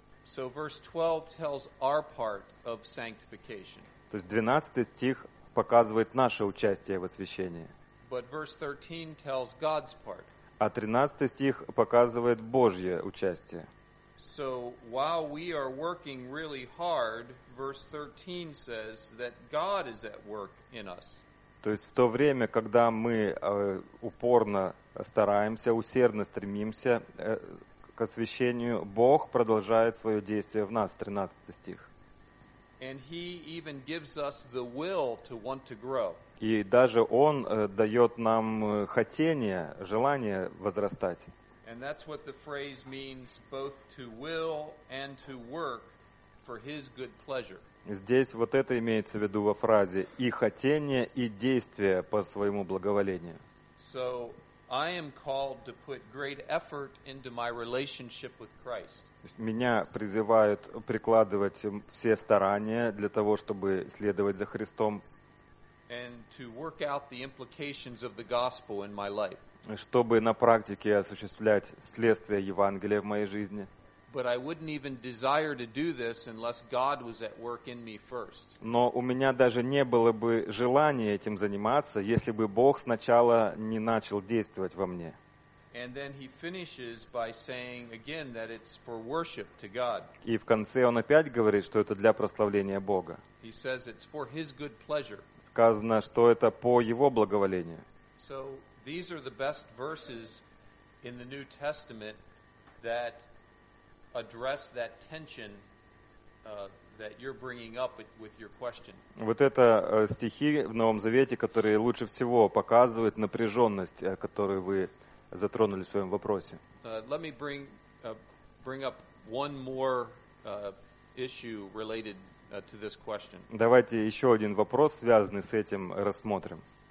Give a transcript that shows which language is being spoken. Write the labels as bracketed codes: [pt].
[en] So verse 12 tells our part of sanctification. [ru] То есть 12 стих показывает наше участие в освящении. [en] But verse 13 tells God's part. [ru] А 13 стих показывает Божье участие. [en] So while we are working really hard, verse 13 says that God is at work in us. [ru] То есть в то время, когда мы упорно стараемся, усердно стремимся к освящению, Бог продолжает свое действие в нас, 13 стих. [en] And he even gives us the will to want to grow. [ru] И даже он дает нам хотение, желание возрастать. [en] And that's what the phrase means, both to will and to work for his good pleasure. [ru] Здесь вот это имеется в виду во фразе и хотение, и действие по своему благоволению. [en] So I am called to put great effort into my relationship with Christ. [ru] Меня призывают прикладывать все старания для того, чтобы следовать за Христом. [en] And to work out the implications of the gospel in my life. [ru] Чтобы на практике осуществлять следствие Евангелия в моей жизни. [en] But I wouldn't even desire to do this unless God was at work in me first. [ru] Но у меня даже не было бы желания этим заниматься, если бы Бог сначала не начал действовать во мне. [en] And then he finishes by saying again that it's for worship to God. [ru] И в конце он опять говорит, что это для прославления Бога. [en] He says it's for his good pleasure. [ru] Сказано, что это по его благоволению. [en] So these are the best verses in the New Testament that address that tension that you're bringing up with your question. [ru] Вот это стихи в Новом Завете, которые лучше всего показывают напряженность, которую вы затронули в своем вопросе. [en] Let me bring up one more issue related to this question. [ru] Давайте еще один вопрос, связанный с этим, рассмотрим.